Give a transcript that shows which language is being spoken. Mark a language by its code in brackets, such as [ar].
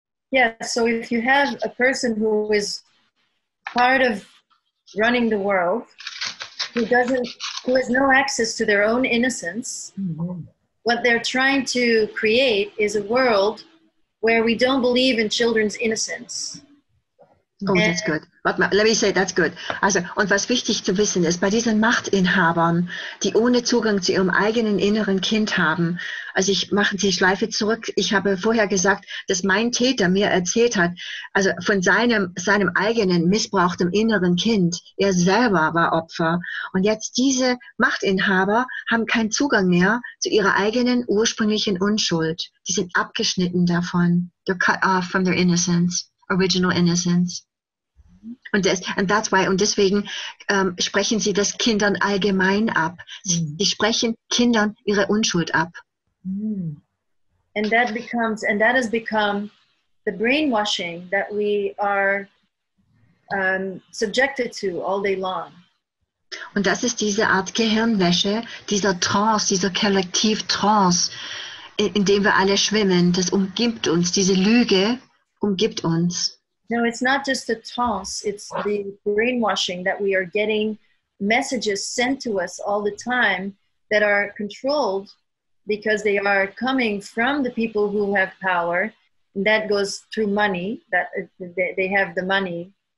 [en] Yeah, so if you have a person who is part of running the world, who has no access to their own innocence, mm-hmm. What they're trying to create is a world where we don't believe in children's innocence. Oh, that's good. [de] Warte mal, [en] let me say, that's good. [de] Also, und was wichtig zu wissen ist, bei diesen Machtinhabern, die ohne Zugang zu ihrem eigenen inneren Kind haben, also ich mache die Schleife zurück, ich habe vorher gesagt, dass mein Täter mir erzählt hat, also von seinem eigenen missbrauchten inneren Kind, er selber war Opfer. Und jetzt diese Machtinhaber haben keinen Zugang mehr zu ihrer eigenen ursprünglichen Unschuld. Die sind abgeschnitten davon. [en] They're cut off from their innocence. Original innocence. [de] Und deswegen sprechen sie das Kindern allgemein ab. Sie sprechen Kindern ihre Unschuld ab. [en] And that has become the brainwashing that we are subjected to all day long. [de] Und das ist diese Art Gehirnwäsche, dieser Trance, dieser Kollektiv-Trance, in dem wir alle schwimmen. Das umgibt uns, diese Lüge umgibt uns. [en] No, it's not just the trance, it's the brainwashing that we are getting messages sent to us all the time that are controlled because they are coming from the people who have power. And that goes through money, that they have the money.